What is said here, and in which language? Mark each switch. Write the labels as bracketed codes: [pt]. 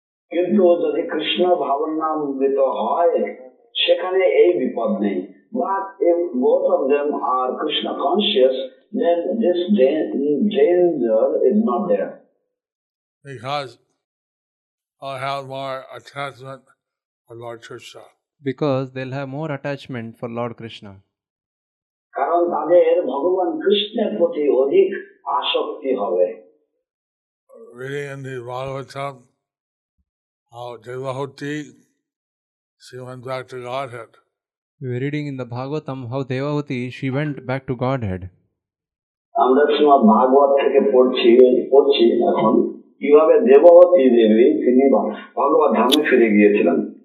[bn] কিন্তু যদি কৃষ্ণ ভাবনামৃত হয় সেখানে এই বিপদ নেই [en] But if both of them are Krishna conscious then this danger is not there. Because I have more attachment for Lord Krishna. Because they'll have more attachment for Lord Krishna. [bn] Karan tader Bhagavan Krishna proti odhik asakti hobe. [en] Reading in the Bhagavatam, how Devahuti, she went back to Godhead. We're reading in the Bhagavatam how Devahuti, she went back to Godhead. [bn] আমরা শ্রীমদ ভাগবত থেকে পড়ছি এখন কিভাবে দেবহতী দেবী তিনি ভগবত ধামে ফিরে গিয়েছিলেন